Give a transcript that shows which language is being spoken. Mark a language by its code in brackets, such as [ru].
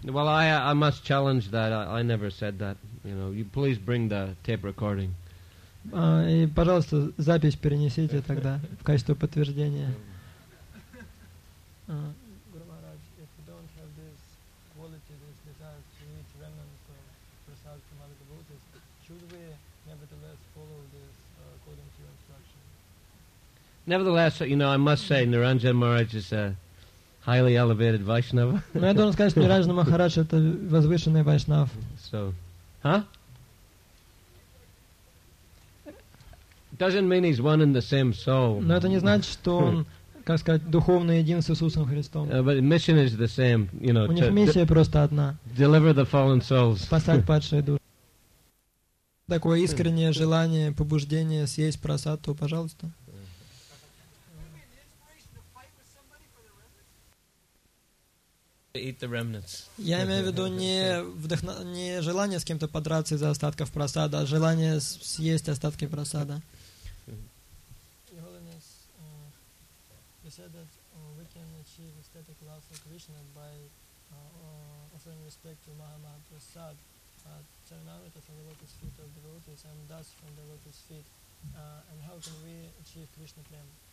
[en] Well, I must challenge that. I never said that. You know, you please bring the tape recording. [ru] И, пожалуйста, запись перенесите тогда в качестве подтверждения. [en] Guru Maharaj, if you don't have this quality, this desire to eat remnants of prasad from other devotees, should we nevertheless follow this according to your instruction? Nevertheless, you know, I must say, Niranjan Maharaj is a highly elevated Vaishnava. [ru] Но я должен сказать, что Ниранджан Махарадж это возвышенный Вайшнав. [en] So, huh? Doesn't mean he's one and the same soul. [ru] Но это не значит, что он, как сказать, духовно един с Иисусом Христом. [en] But mission is the same, you know. [ru] У них миссия просто одна. [en] Deliver the fallen souls. [ru] Спасать падшие души. Такое искреннее желание, побуждение съесть просад, то, пожалуйста. [en] Eat the remnants. [ru] Я имею в виду не желание с кем-то подраться из-за остатков просада, а желание съесть остатки просада. [en] Your Holiness, you said that we can achieve aesthetic love for Krishna by offering respect to Mahamahaprasad at Charanamrita from the lotus feet of devotees and dust from the lotus feet. And how can we achieve Krishna prem?